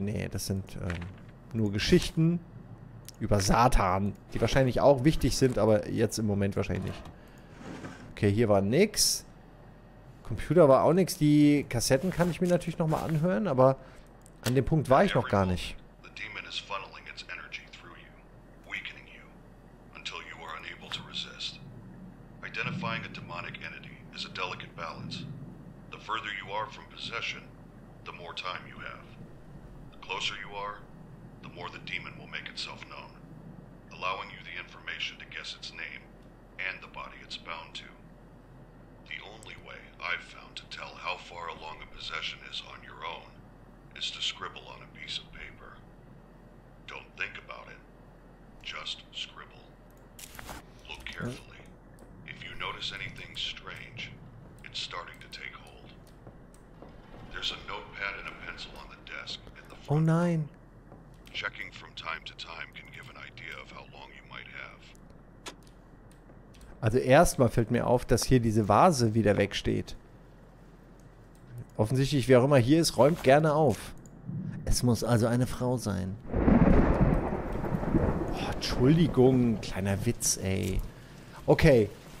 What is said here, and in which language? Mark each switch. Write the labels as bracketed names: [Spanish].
[German] Nee, das sind nur Geschichten über Satan, die wahrscheinlich auch wichtig sind, aber jetzt im Moment wahrscheinlich nicht. Okay, hier war nix. Computer war auch nix. Die Kassetten kann ich mir natürlich nochmal anhören, aber an dem Punkt war ich noch gar nicht. [English] The demon is funneling its energy through you, weakening you, until you are unable to resist. Identifying a demonic entity is a delicate balance. The further you are from possession, the more time you have. The closer you are, the more the demon will make itself known, allowing you the information to guess its name and the body it's bound to. The only way I've found to tell how far along a possession is on your own is to scribble on a piece of paper. Don't think about it. Just scribble. Look carefully. If you notice anything strange, it's starting to take hold. There's a notepad and a pencil on the desk in the front. [German] Oh, nein. [English] Checking from time to time can give an idea of how long you might have. [German] Also erstmal fällt mir auf, dass hier diese Vase wieder wegsteht. Offensichtlich, wer auch immer hier ist, räumt gerne auf. Es muss also eine Frau sein. Oh, Entschuldigung, kleiner Witz, ey. Okay.